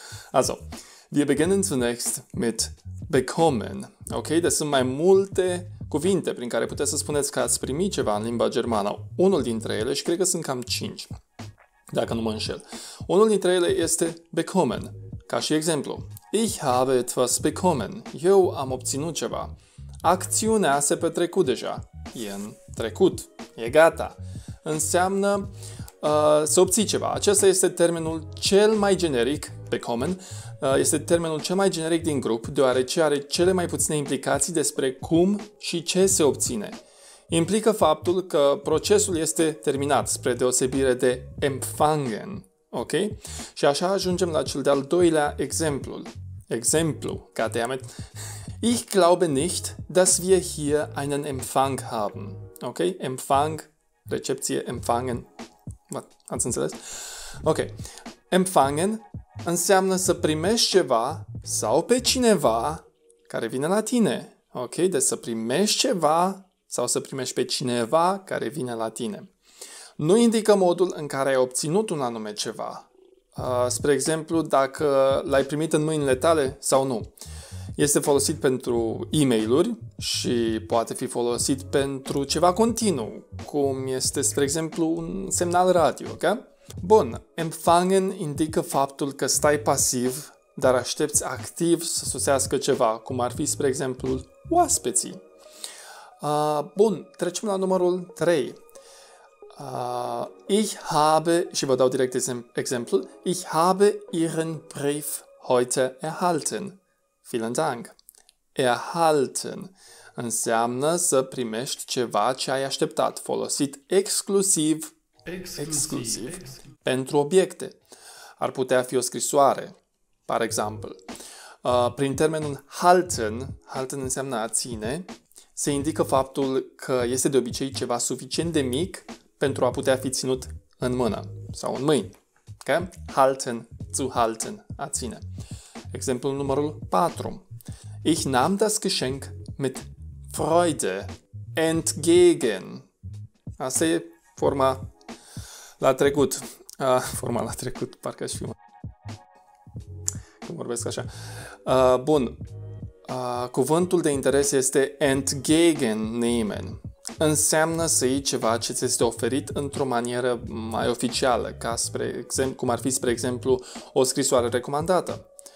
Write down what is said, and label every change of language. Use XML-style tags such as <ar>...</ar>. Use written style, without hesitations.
<de>Also, wir beginnen zunächst mit bekommen. Ok?</de> <ro>Deci sunt mai multe cuvinte prin care puteți să spuneți că ați primit ceva în limba germană, unul dintre ele, și cred că sunt cam 5, dacă nu mă înșel. Unul dintre ele este bekommen, ca și exemplu.</ro> <de>Ich habe etwas bekommen.</de> <ro>Eu am obținut ceva. Acțiunea se petrecu deja. E în trecut. E gata. Înseamnă să obții ceva. Acesta este termenul cel mai generic, bekommen. Este termenul cel mai generic din grup, deoarece are cele mai puține implicații despre cum și ce se obține. Implică faptul că procesul este terminat, spre deosebire de empfangen. Ok? Și așa ajungem la cel de-al doilea exemplu. Exemplu,</ro> <en>goddammit.</en> <de>Ich glaube nicht, dass wir hier einen Empfang haben.</de> <ro>Ok? Empfang, recepție, empfangen. Ați înțeles? Ok. Empfangen înseamnă să primești ceva sau pe cineva care vine la tine. Ok? Deci să primești ceva sau să primești pe cineva care vine la tine. Nu indică modul în care ai obținut un anume ceva. Spre exemplu, dacă l-ai primit în mâinile tale sau nu. Este folosit pentru e-mail-uri și poate fi folosit pentru ceva continuu, cum este, spre exemplu, un semnal radio, ok? Bun, empfangen indică faptul că stai pasiv, dar aștepți activ să sosească ceva, cum ar fi, spre exemplu, oaspeții. Bun, trecem la numărul 3.</ro> <de>Ich habe,</de> <ro>și vă dau direct exemplu,</ro> <de>ich habe Ihren Brief heute erhalten. Vielen Dank.</de> <ro>Erhalten înseamnă să primești ceva ce ai așteptat, folosit Exclusiv, exclusiv pentru obiecte. Ar putea fi o scrisoare, par exemplu. Prin termenul halten înseamnă a ține, se indică faptul că este de obicei ceva suficient de mic pentru a putea fi ținut în mână sau în mâini. Okay? Halten, zu halten, a ține. Exemplul numărul 4.</ro> <de>Ich nahm das Geschenk mit Freude entgegen.</de> <ro>Asta e forma la trecut. Forma la trecut, parcă aș fi. Cum vorbesc așa. Bun. Cuvântul de interes este entgegennehmen. Înseamnă să iei ceva ce ți este oferit într-o manieră mai oficială, ca spre exemplu, cum ar fi, spre exemplu, o scrisoare recomandată.</ro>